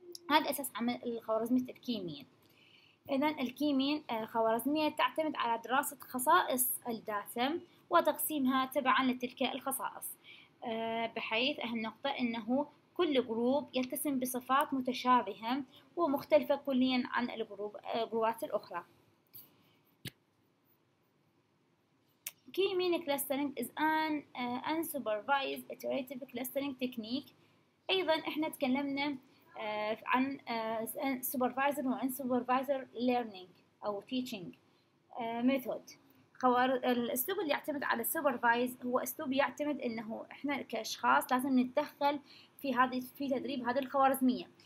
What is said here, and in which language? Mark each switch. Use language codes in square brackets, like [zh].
[ar] هذا أساس عمل الخوارزمية الكيمين. إذن الكيمين خوارزمية تعتمد على دراسة خصائص الداتا وتقسيمها تبعاً لتلك الخصائص، بحيث أهم نقطة أنه كل جروب يتسم بصفات متشابهة ومختلفة كلياً عن الجروبات الأخرى. [en] Key meaning clustering is an unsupervised iterative clustering technique. [ar] أيضاً إحنا تكلمنا عن supervisor و unsupervisor learning أو teaching method. الأسلوب اللي يعتمد على supervise هو أسلوب يعتمد أنه إحنا كأشخاص لازم نتدخل في تدريب هذه الخوارزمية.